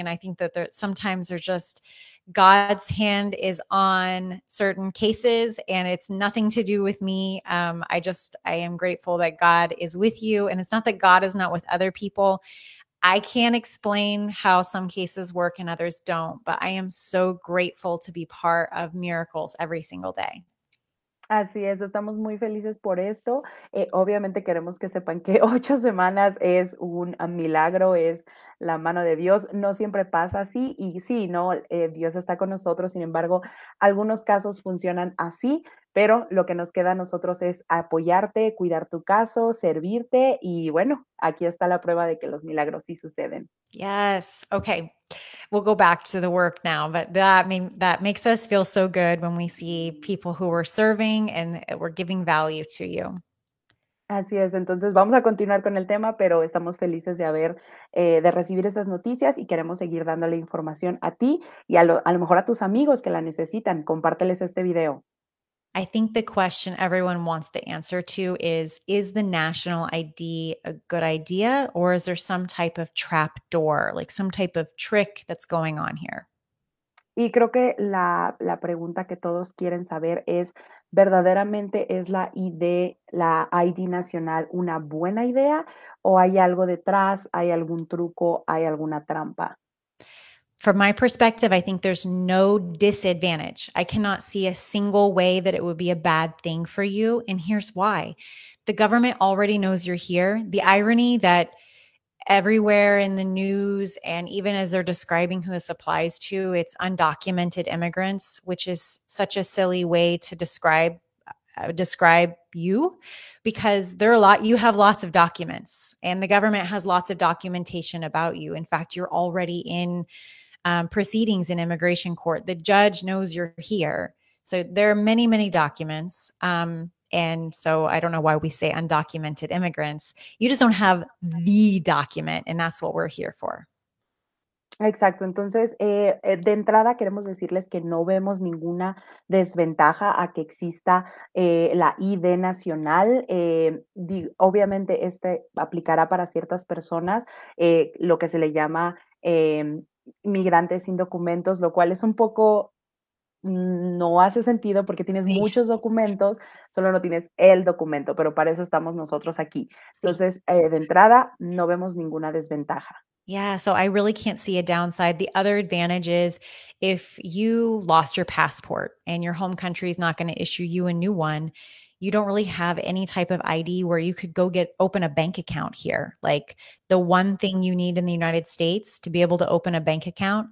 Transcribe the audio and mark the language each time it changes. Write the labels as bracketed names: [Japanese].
[English] And I think that there, sometimes they're just, God's hand is on certain cases and it's nothing to do with me. I am grateful that God is with you. And it's not that God is not with other people. I can't explain how some cases work and others don't, but I am so grateful to be part of miracles every single day. [Spanish] Así es, estamos muy felices por esto. Obviamente queremos que sepan que 8 semanas es un milagro, es la mano de Dios. No siempre pasa así y sí, no, Dios está con nosotros. Sin embargo, algunos casos funcionan así, pero lo que nos queda a nosotros es apoyarte, cuidar tu caso, servirte y bueno, aquí está la prueba de que los milagros sí suceden. [English] Yes, okay. We'll go back to the work now, but that makes us feel so good when we see people who are serving and we're giving value to you. [Spanish] Así es. Entonces vamos a continuar con el tema, pero estamos felices de haber de recibir esas noticias y queremos seguir dándole información a ti y a lo mejor a tus amigos que la necesitan. Compárteles este video. [English] I think the question everyone wants the answer to is the national ID a good idea, or is there some type of trap door, like some type of trick that's going on here? [Spanish] Y creo que la pregunta que todos quieren saber es, ¿verdaderamente es la ID nacional una buena idea, o hay algo detrás, hay algún truco, hay alguna trampa? [English] From my perspective, I think there's no disadvantage. I cannot see a single way that it would be a bad thing for you. And here's why. The government already knows you're here. The irony that everywhere in the news and even as they're describing who this applies to, it's undocumented immigrants, which is such a silly way to describe you, because you have lots of documents and the government has lots of documentation about you. In fact, you're already in proceedings in immigration court. The judge knows you're here. So there are many, many documents. And so I don't know why we say undocumented immigrants. You just don't have the document, and that's what we're here for. [Spanish] Exacto. Entonces, de entrada queremos decirles que no vemos ninguna desventaja a que exista la ID nacional. Obviamente, este aplicará para ciertas personas, lo que se le llama inmigrantes sin documentos, lo cual es un poco, no hace sentido porque tienes muchos documentos, solo no tienes el documento, pero para eso estamos nosotros aquí. Entonces, de entrada, no vemos ninguna desventaja. [English] Yeah, so I really can't see a downside. The other advantage is if you lost your passport and your home country is not going to issue you a new one, you don't really have any type of ID where you could go open a bank account here. Like the one thing you need in the United States to be able to open a bank account.